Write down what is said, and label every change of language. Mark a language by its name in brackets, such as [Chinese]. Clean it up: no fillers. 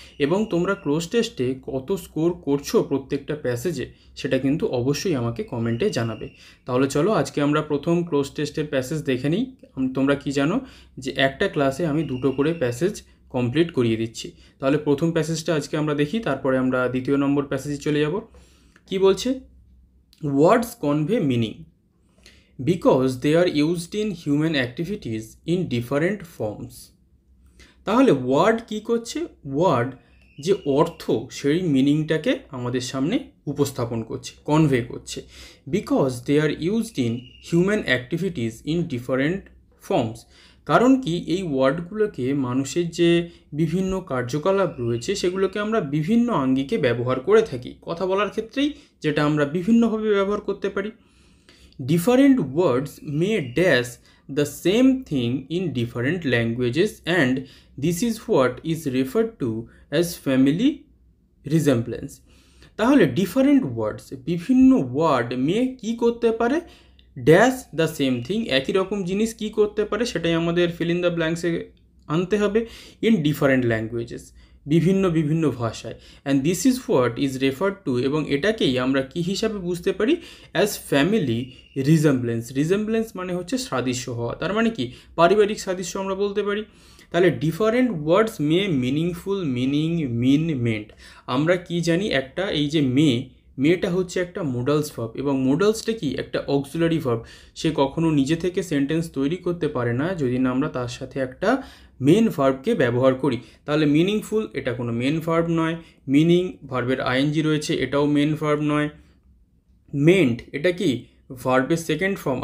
[Bangla] এবং তোমরা ক্লোজ টেস্টে কত স্কোর করছো প্রত্যেকটা প্যাসেজে সেটা কিন্তু অবশ্যই আমাকে কমেন্টে জানাবে। তাহলে চলো আজকে আমরা প্রথম ক্লোজ টেস্টের প্যাসেজ দেখে নিই। তোমরা কি জানো যে একটা ক্লাসে আমি দুটো করে প্যাসেজ কমপ্লিট করিয়ে দিচ্ছি। তাহলে প্রথম প্যাসেজটা আজকে আমরা দেখি, তারপরে আমরা দ্বিতীয় নম্বর প্যাসেজে চলে যাব। কি বলছে? [English] Words convey meaning because they are used in human activities in different forms. [Bangla] তাহলে ওয়ার্ড কী করছে? ওয়ার্ড যে অর্থ সেই মিনিংটাকে আমাদের সামনে উপস্থাপন করছে, কনভে করছে। [English] Because they are used in human activities in different forms. [Bangla] কারণ কি? এই ওয়ার্ডগুলোকে মানুষের যে বিভিন্ন কার্যকলাপ রয়েছে সেগুলোকে আমরা বিভিন্ন আঙ্গিকে ব্যবহার করে থাকি, কথা বলার ক্ষেত্রেই, যেটা আমরা বিভিন্নভাবে ব্যবহার করতে পারি। [English] Different words may dash the same thing in different languages and this is what is referred to as family resemblance. [Bangla] তাহলে [English] different words, [Bangla] বিভিন্ন word may কী করতে পারে? [English] Dash the same thing, [Bangla] একই রকম জিনিস কী করতে পারে সেটাই আমাদের [English] fill in the blanks- [Bangla] এ আনতে হবে। [English] In different languages, [Bangla] বিভিন্ন বিভিন্ন ভাষায়। [English] And this is what is referred to, [Bangla] এবং এটাকেই আমরা কী হিসাবে বুঝতে পারি? [English] As family resemblance. [Bangla] Resemblance মানে হচ্ছে সাদৃশ্য হওয়া, তার মানে কি? পারিবারিক সাদৃশ্য আমরা বলতে পারি। তাহলে [English] different words may meaningful meaning mean meant, [Bangla] আমরা কী জানি? একটা এই যে মে, মেটা হচ্ছে একটা মোডালস ভার্ব এবং মোডালসটা কি? একটা অক্সিলারি ভার্ব, সে কখনো নিজে থেকে সেন্টেন্স তৈরি করতে পারে না যদি না আমরা তার সাথে একটা মেন ভার্বকে ব্যবহার করি। তাহলে মিনিংফুল এটা কোনো মেন ভার্ব নয়, মিনিং ভার্বের আইএনজি রয়েছে এটাও মেন ভার্ব নয়, মেন্ট এটা কি? ভার্বের সেকেন্ড ফর্ম।